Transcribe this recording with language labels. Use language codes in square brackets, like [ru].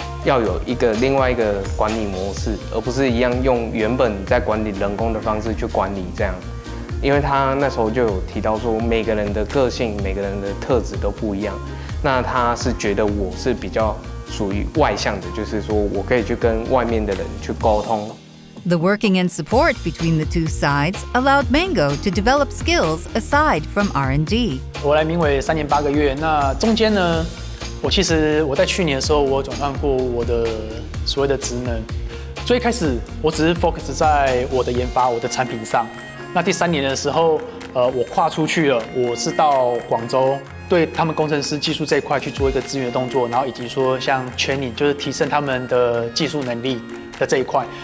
[zh] 要有一个另外一个管理模式，而不是一样用原本在管理人工的方式去管理这样。因为他那时候就有提到说，每个人的个性、每个人的特质都不一样。那他是觉得我是比较属于外向的，就是说我可以去跟外面的人去沟通。 [en] The working and support between the two sides allowed Mango to develop skills aside from R&D. [zh] 我来明伟三年八个月，那中间呢，我其实我在去年的时候，我转换过我的所谓的职能。最开始我只是 focus 在我的研发、我的产品上。那第三年的时候，我跨出去了，我是到广州对他们工程师技术这一块去做一个资源的动作，然后以及说像 training 就是提升他们的技术能力的这一块。